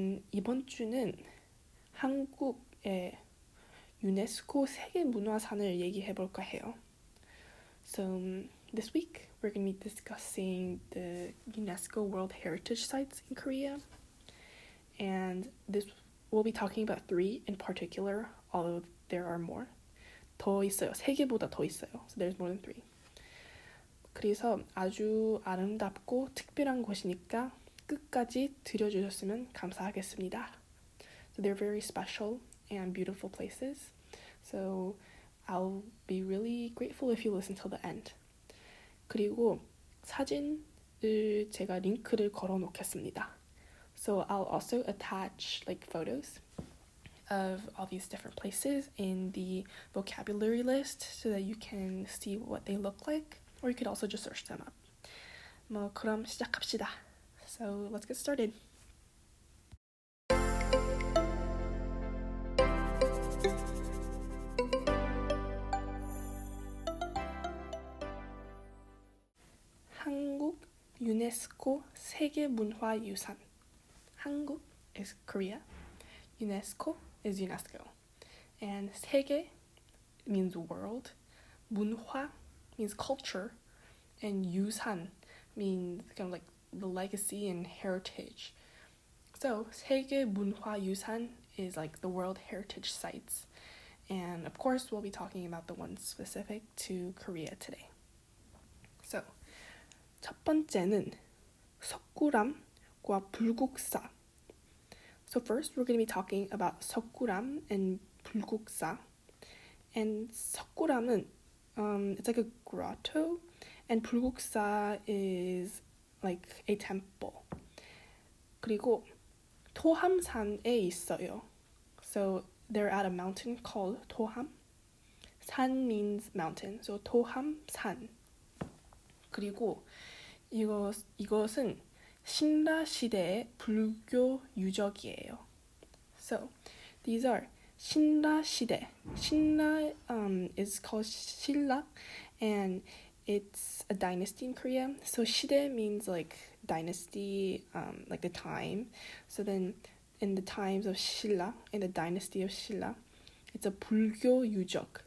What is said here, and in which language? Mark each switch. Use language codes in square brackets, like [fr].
[ko] 이번 주는 한국의 유네스코 세계문화산을 얘기해 볼까 해요. [en] So, this week we're going to be discussing the UNESCO World Heritage Sites in Korea. And this we'll be talking about three in particular, although there are more. [ko] 더 있어요. 세 개보다 더 있어요. [en] So there's more than three. [ko] 그래서 아주 아름답고 특별한 곳이니까 끝까지 들어주셨으면 감사하겠습니다. [en] So they're very special and beautiful places. So I'll be really grateful if you listen till the end. [ko] 그리고 사진을 제가 링크를 걸어 놓겠습니다. [en] So I'll also attach like photos of all these different places in the vocabulary list so that you can see what they look like. Or you could also just search them up. [ko] 뭐 그럼 시작합시다. [en] So let's get started. [ko] 한국 유네스코 세계문화유산. [en] 한국 is Korea. UNESCO is UNESCO. And 세계 means world. 문화 means culture. And Yusan means kind of like the legacy and heritage. So, 세계문화유산 is like the world heritage sites. And of course, we'll be talking about the ones specific to Korea today. [ko] So, 첫 번째는 석굴암과 불국사. [en] So, first, we're going to be talking about 석굴암 and 불국사. And 석굴암은, it's like a grotto. And 불국사 is like a temple. [ko] 그리고 토함산에 있어요. [en] So they're at a mountain called 토함. 산 means mountain. So 토함산. [ko] 그리고 이것은 신라 시대의 불교 유적이에요. [en] So these are 신라 시대. 신라 is called 신라 and it's a dynasty in Korea. So 시대 means like dynasty, like the time. So then in the times of 신라, in the dynasty of 신라, it's a 불교 유적.